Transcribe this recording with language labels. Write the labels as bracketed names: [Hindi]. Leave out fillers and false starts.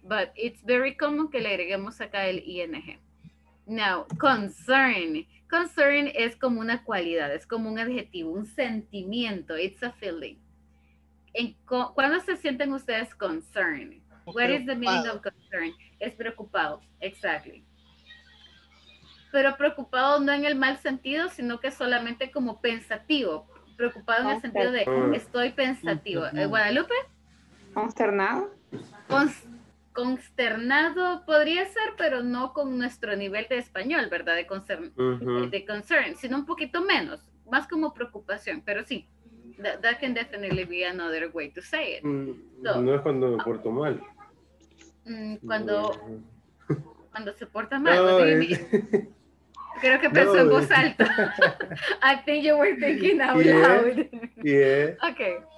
[English] But it's very common [Spanish] que le agreguemos acá el ing. [English] Now, concern. [Spanish] Concern es como una cualidad, es como un adjetivo, un sentimiento. [English] It's a feeling. [Spanish] ¿Cuándo se sienten ustedes [English] concern? What is the meaning of concern? [Spanish] Es preocupado. [English] Exactly. [Spanish] pero preocupado no en el mal sentido, sino que solamente como pensativo. Preocupado en el sentido de estoy pensativo. ¿Guadalupe? ¿Consternado? Consternado podría ser, pero no con nuestro nivel de español, ¿verdad? De concern, de concern, sino un poquito menos, más como preocupación, pero sí. [English] That can definitely be another way to say it. [Spanish] No es cuando me porto mal. Cuando se porta mal. No, creo que pensó en voz alta. [English] I think you were thinking out loud. Okay.